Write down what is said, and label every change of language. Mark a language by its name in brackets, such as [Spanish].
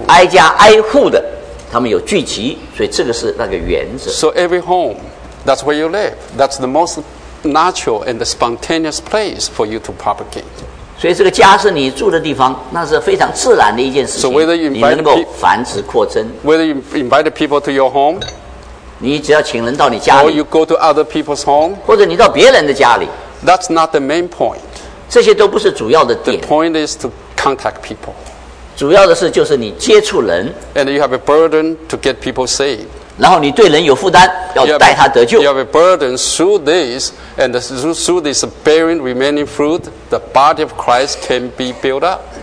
[Chinese] 挨家挨户的，他们有聚集，所以这个是那个原则。 [English] So every home, that's where you live. That's the most natural and the spontaneous place for you to propagate. [Chinese] 所以这个家是你住的地方，那是非常自然的一件事情。 [English] So whether you invite [Chinese] 你能够繁殖扩增 [English] ，whether you invite people to your home, [Chinese] 你只要请人到你家里 [English] ，or you go to other people's home, [Chinese] 或者你到别人的家里 [English] ，that's not the main point. [Chinese] 这些都不是主要的点。 [English] The point is to contact people. [Chinese] 主要的是就是你接触人 [English] and you have a burden to get people saved. [Chinese] 然后你对人有负担要带他得救 [English] you have a burden through this and through this bearing remaining fruit the body of Christ can be built up